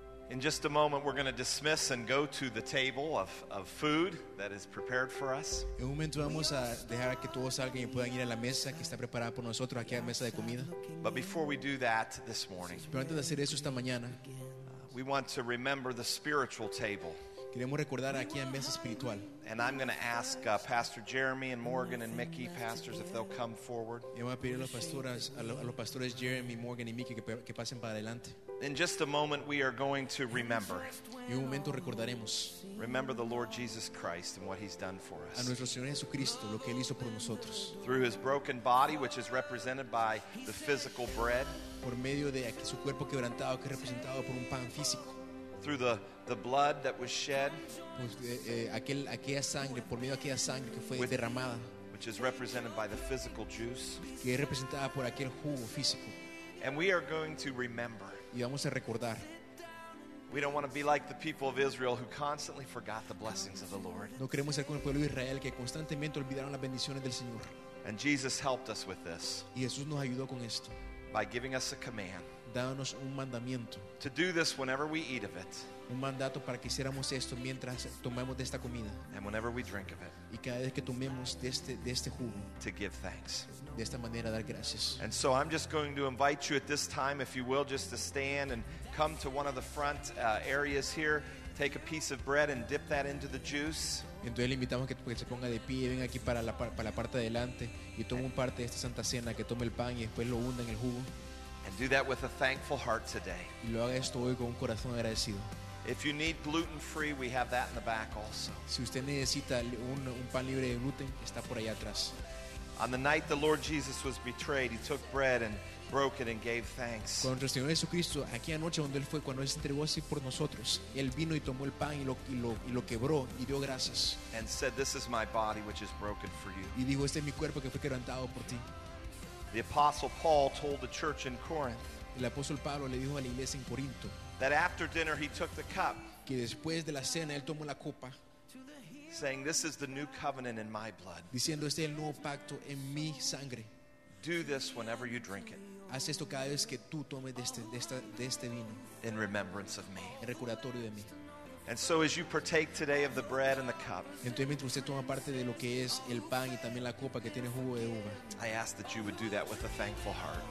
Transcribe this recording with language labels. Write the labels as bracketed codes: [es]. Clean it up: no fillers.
[en] In just a moment, we're going to dismiss and go to the table of food that is prepared for us. [es] En un momento vamos a dejar que todos salgan y puedan ir a la mesa que está preparada por nosotros, aquí a la mesa de comida. [en] But before we do that this morning, [es] pero antes de hacer eso esta mañana, [en] we want to remember the spiritual table. [es] Queremos recordar aquí a mesa espiritual. [en] And I'm going to ask Pastor Jeremy and Morgan and Mickey, pastors, if they'll come forward. [es] Y voy a pedir a los pastores, Jeremy, Morgan y Mickey que pasen para adelante. [en] In just a moment, we are going to remember. [es] Y un momento recordaremos. [en] Remember the Lord Jesus Christ and what He's done for us. [es] A nuestro Señor Jesucristo, lo que Él hizo por nosotros. [en] Through His broken body, which is represented by the physical bread. [es] Por medio de su cuerpo quebrantado, que es representado por un pan físico. [en] Through the blood that was shed, [es] aquella sangre, por medio de aquella sangre que fue derramada, [en] which is represented by the physical juice, [es] que es representada por aquel jugo físico. [en] And we are going to remember. [es] Y vamos a recordar. [en] We don't want to be like the people of Israel who constantly forgot the blessings of the Lord. [es] No queremos ser como el pueblo de Israel que constantemente olvidaron las bendiciones del Señor. [en] And Jesus helped us with this. [es] Y Jesús nos ayudó con esto. [en] By giving us a command. [es] Dándonos un mandamiento. [en] To do this whenever we eat of it. [es] Un mandato para que hiciéramos esto mientras tomemos de esta comida. [en] And whenever we drink of it. [es] Y cada vez que tomemos de este jugo. [en] To give thanks. [es] De esta manera dar gracias. [en] And so I'm just going to invite you at this time, if you will, just to stand and come to one of the front areas here. Take a piece of bread and dip that into the juice. [es] Entonces le invitamos que se ponga de pie y venga aquí para la parte de adelante y tome un parte de esta Santa Cena, que tome el pan y después lo hunda en el jugo. [en] And do that with a thankful heart today. [es] Y lo haga esto hoy con un corazón agradecido. [en] If you need gluten free, we have that in the back also. [es] Si usted necesita un pan libre de gluten, está por allá atrás. [en] On the night the Lord Jesus was betrayed, he took bread and broke it and gave thanks. [es] Cuando nuestro Señor Jesucristo, aquí anoche donde él fue, cuando él se entregó así por nosotros, él vino y tomó el pan y lo quebró y dio gracias. [en] And said, "This is my body which is broken for you." [es] Y dijo, "Este es mi cuerpo que fue quebrantado por ti." [en] The apostle Paul told the church in Corinth. [es] El apóstol Pablo le dijo a la iglesia en Corinto. [en] That after dinner he took the cup. [es] Que después de la cena él tomó la copa. [en] Saying, "This is the new covenant in my blood." [es] Diciendo, "Este es el nuevo pacto en mi sangre." [en] Do this whenever you drink it. [es] Haz esto cada vez que tú tomes de este vino. [en] In remembrance of me. [es] En recordatorio de mí. [en] And so as you partake today of the bread and the cup. [es] Entonces mientras usted toma parte de lo que es el pan y también la copa que tiene jugo de uva. [en] I ask that you would do that with a thankful heart.